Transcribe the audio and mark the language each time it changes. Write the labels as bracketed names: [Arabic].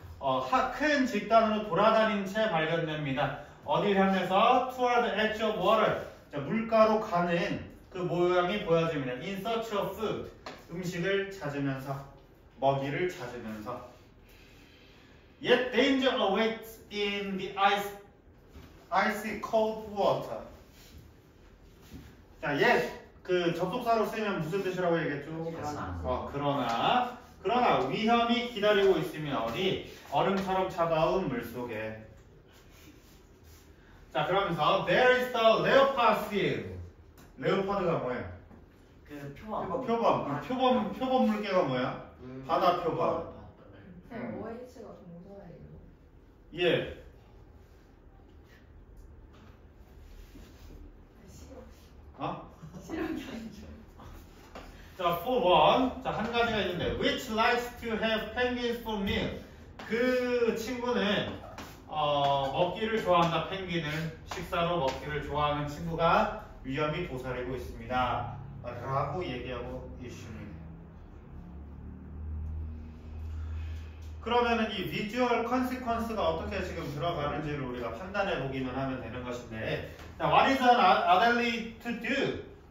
[Korean] 어, 큰 집단으로 돌아다닌 채 발견됩니다. 어디를 향해서 [English] toward the edge of water. [Korean] 물가로 가는 그 모양이 보여집니다. [English] In search of food, [Korean] 음식을 찾으면서, 먹이를 찾으면서. [English] Yet danger awaits in the icy cold water. [Korean] 자, yet 그 접속사로 쓰면 무슨 뜻이라고 얘기했죠? 그러나. 어, 그러나 위험이 기다리고 있습니다. 어디? 얼음처럼 차가운 물 속에. 자 그러면서 [English] there is the leopard seal. [Korean] 레오파드가 뭐예요? 그 표범. 표범 물개가 뭐야? 바다 표범. 그 OH가 동사예요. 예. 싫어. 아? 싫은 게 아니죠. 자 [English] for one, [Korean] 자 한 가지가 있는데 [English] which likes to have penguins for meal. [Korean] 그 친구는 먹기를 좋아한다. 펭귄은 식사로 먹기를 좋아하는 친구가 위험이 도사리고 있습니다 라고 얘기하고 있습니다. 그러면은 이 [English] visual consequence [Korean] 가 어떻게 지금 들어가는지를 우리가 판단해 보기만 하면 되는 것인데 자, [English] what is an Adelie to do?